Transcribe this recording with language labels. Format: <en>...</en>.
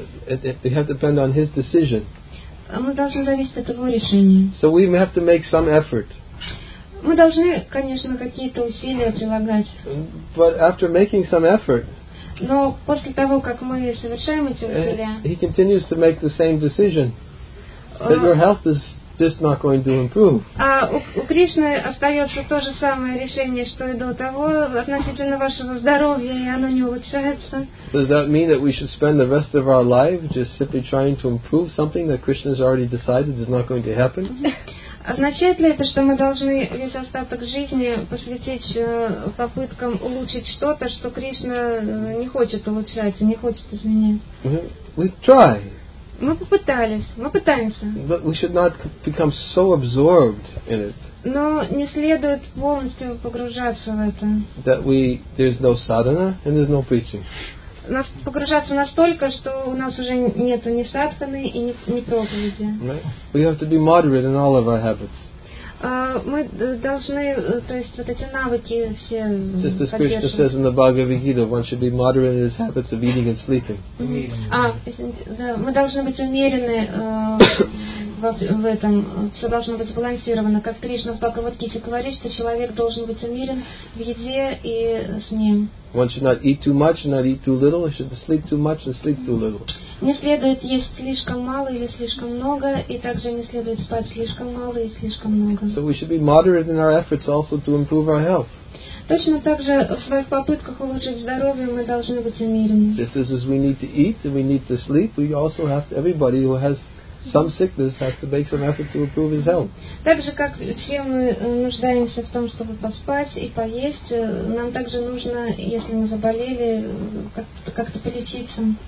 <en>We have to depend on His decision.</en> <ru>Мы должны зависеть от Его решения.</ru> <en>So we have to make some effort.</en> <ru>Мы должны, конечно, какие-то усилия прилагать.</ru> <en>But after making some effort,</en> <ru>но после того, как мы совершаем эти усилия,</ru> <en>He continues to make the same decision that your health is just not going to improve.</en> <ru>У Кришны остается то же самое решение, что и до того, относительно вашего здоровья, и оно не улучшается.</ru> <en>Does that mean that we should spend the rest of our life just simply trying to improve something that Krishna has already decided is not going to happen?</en> <ru>Означает ли это, что мы должны весь остаток жизни посвятить попыткам улучшить что-то, что Кришна не хочет улучшать и не хочет изменять?</ru> <en>We try.</en> <ru>Мы попытались, мы пытаемся.</ru> <en>But we should not become so absorbed in it.</en> <ru>Но не следует полностью погружаться в это.</ru> <en>That we there's no sadhana and there's no preaching.</en> <ru>Нас погружаться настолько, что у нас уже нету ни садханы и ни проповеди.</ru> <en>We have to be moderate in all of our habits.</en> <ru>Мы должны, то есть вот эти навыки все.</ru> <en>Just as Krishna says in the Bhagavad Gita, one should be moderate in his habits of eating and sleeping.</en> <ru>Мы должны быть умеренны в этом. Все должно быть сбалансировано. Как Кришна в Бхагавад Гите говорит, что человек должен быть умерен в еде и сне.</ru> <en>One should not eat too much and not eat too little. One should sleep too much and sleep too little.</en> <ru>Не следует есть слишком мало или слишком много, и также не следует спать слишком мало и слишком много.</ru> <en>So we should be moderate in our efforts also to improve our health.</en> <ru>Точно так же в своих попытках улучшить здоровье мы должны быть умеренны.</ru> <en>Just as we need to eat and we need to sleep, we also have to, everybody who has some sickness has to make some effort to improve his health.</en> <ru>Так же, как все мы нуждаемся в том, чтобы поспать и поесть, нам также нужно, если мы заболели, как-то полечиться.</ru>